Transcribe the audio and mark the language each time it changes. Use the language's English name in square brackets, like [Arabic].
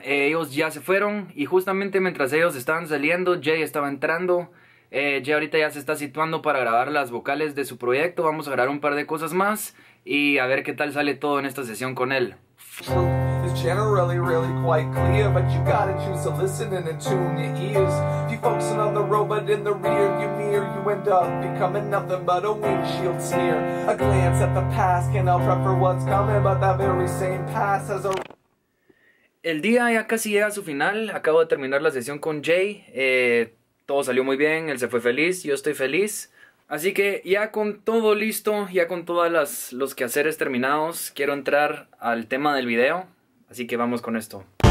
[Spanish] Ellos ya se fueron y justamente mientras ellos estaban saliendo, Jay estaba entrando. Jay ahorita ya se está situando para grabar las vocales de su proyecto. Vamos a grabar un par de cosas más y a ver qué tal sale todo en esta sesión con él. [English] Generally, really quite clear, but you gotta choose to listen and attune your ears. If you're focusing on the robot in the rear view mirror, you end up becoming nothing but a windshield smear. A glance at the past can help prep for what's coming, but that very same past has a. [Spanish] El día ya casi llega a su final. Acabo de terminar la sesión con Jay. Todo salió muy bien. Él se fue feliz. Yo estoy feliz. Así que ya con todo listo, ya con todos los quehaceres terminados, quiero entrar al tema del video. Así que vamos con esto.